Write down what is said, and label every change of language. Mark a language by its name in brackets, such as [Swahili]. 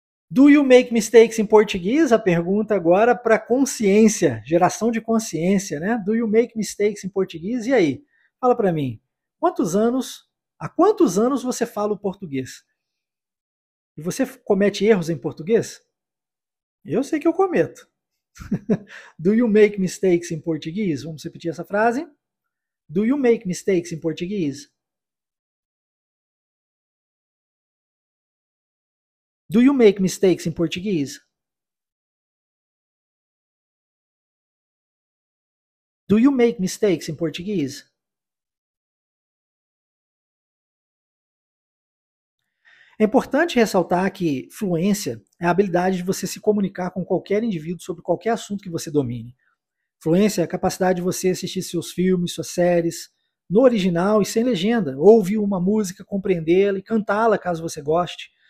[English] Do you make mistakes [Portuguese] em português? A pergunta agora para consciência, geração de consciência, né? [English] Do you make mistakes [Portuguese] em português? E aí? Fala para mim. Há quantos anos você fala o português? E você comete erros em português? Eu sei que eu cometo. [English] Do you make mistakes in Portuguese? [Portuguese] Vamos repetir essa frase. [English] Do you make mistakes in Portuguese? Do you make mistakes in Portuguese? Do you make mistakes in Portuguese? [Portuguese] É importante ressaltar que fluência é a habilidade de você se comunicar com qualquer indivíduo sobre qualquer assunto que você domine. Fluência é a capacidade de você assistir seus filmes, suas séries, no original e sem legenda, ouvir uma música, compreendê-la e cantá-la caso você goste.